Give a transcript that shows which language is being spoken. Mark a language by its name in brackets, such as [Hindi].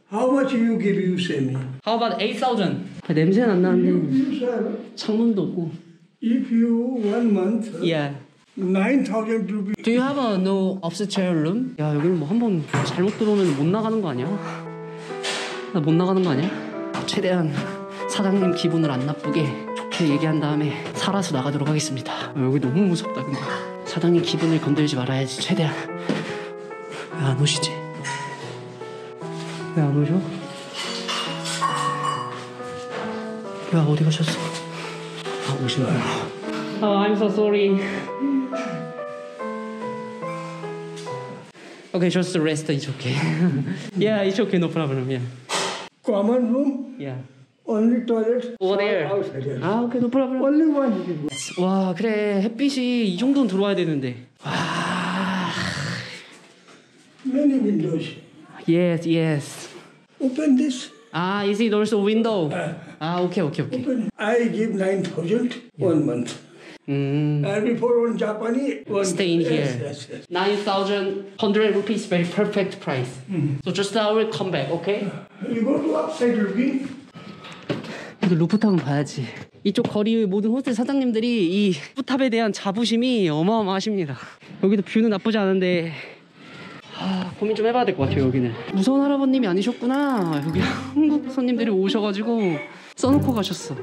[English] How much you give you send me? How about 8,000? [Korean] 냄새는 안 나는데. 창문도 없고. [English] If you one month. Yeah. 9,000 rupees. Do you have a no upstairs room? [Korean] 야 여기는 뭐 한 번 잘못 들어오면 못 나가는 거 아니야? 나 못 나가는 거 아니야? 최대한 사장님 기분을 안 나쁘게 좋게 얘기한 다음에 살아서 나가도록 하겠습니다. 여기 너무 무섭다 근데. 사장님 기분을 건들지 말아야지 최대한. 왜 안 오시지? 왜 안 오셔? 야 어디 가셨어? 아 오신 거야. [English] I'm so sorry. Okay, just rest. It's okay. Yeah, it's okay. No problem. Yeah. Common room? Yeah. Only toilet? Over there. Outside, yes. [Korean] 아, 오케이, 노 프로블럼. [English] Only one. [Korean] 와, 그래. 햇빛이 이 정도는 들어와야 되는데. 와. [English] Many windows. Yes, yes. Open this. 아, is it also window? [Korean] 아, 오케이, 오케이, 오케이. [English] Open. I give 9,000 one month. And we put one Japanese one. Stay in yes, here. Yes, yes. 9,100 rupees, very perfect price. Mm. So just now we'll come back, okay? You go to upside your feet. [Korean] 이거 루프탑은 봐야지. 이쪽 거리의 모든 호스텔 사장님들이 이 루프탑에 대한 자부심이 어마어마하십니다. 여기도 뷰는 나쁘지 않은데 아, 고민 좀 해봐야 될 것 같아요. 여기는 무서운 할아버님이 아니셨구나. 여기 한국 손님들이 오셔가지고 써놓고 가셨어.